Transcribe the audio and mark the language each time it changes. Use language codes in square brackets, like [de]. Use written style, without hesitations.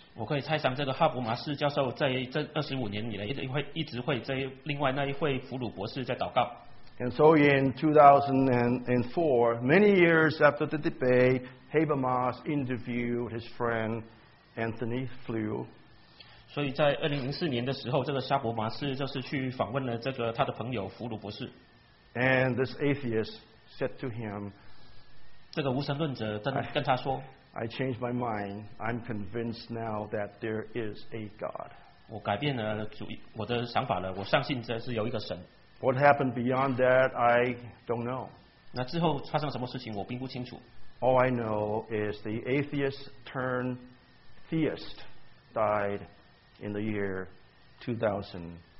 [zh] 我可以猜想这个哈伯马斯教授在这25年以来一直会在另外那一位弗鲁博士在祷告。 [en] And so in 2004, many years after the debate,Habermas interviewed his friend Anthony Flew. [zh] 所以在2004年的时候，这个沙伯马斯就是去访问了这个他的朋友弗鲁博士。 [en] And this atheist said to him, [zh] 这个无神论者跟他说， [en] I changed my mind. I'm convinced now that there is a God. [zh] 我改变了主意，我的想法了，我相信这是有一个神。 [en] What happened beyond that, I don't know. [zh] 那之后发生什么事情，我并不清楚。 [en] All I know is the atheist turned theist died in the year 2010.